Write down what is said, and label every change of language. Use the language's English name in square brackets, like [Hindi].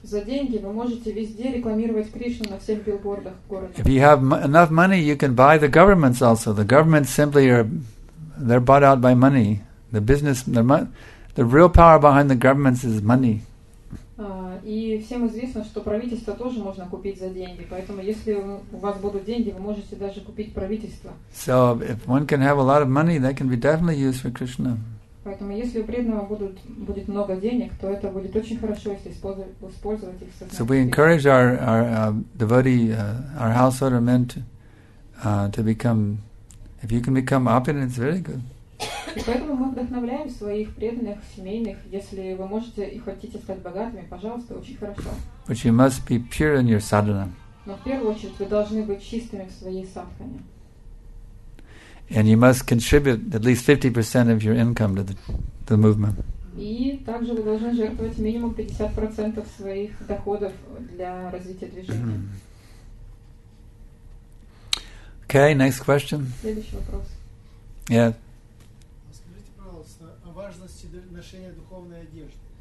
[Russian] За деньги вы можете везде рекламировать Кришну на всех билбордах города. [English] If you have enough money, you can buy the governments also. The governments simply they're bought out by money. The business, the real power behind the governments is money. [Russian] И всем известно, что правительство тоже можно купить за деньги. Поэтому, если у вас будут деньги, вы можете даже купить правительство. [English] So, if one can have a lot of money, that can be definitely used for Krishna. [Russian] Поэтому, если у преданного будет много денег, то это будет очень хорошо, если использовать их. [English] So we encourage our devotee, our householder men to become. If you can become opulent, it's very good. [Russian] И поэтому мы вдохновляем своих преданных семейных, если вы можете и хотите стать богатыми, пожалуйста, очень хорошо. [English] But you must be pure in your sadhana. [Russian] Но в первую очередь вы должны быть чистыми в своей садхане. [English] And you must contribute at least 50% of your income to the movement. [Russian] И также вы должны жертвовать минимум 50% своих доходов для развития движения. [English] Okay, next question. [Russian] Следующий вопрос. [English] Yeah. [Russian] Скажите, пожалуйста, о важности ношения духовной одежды.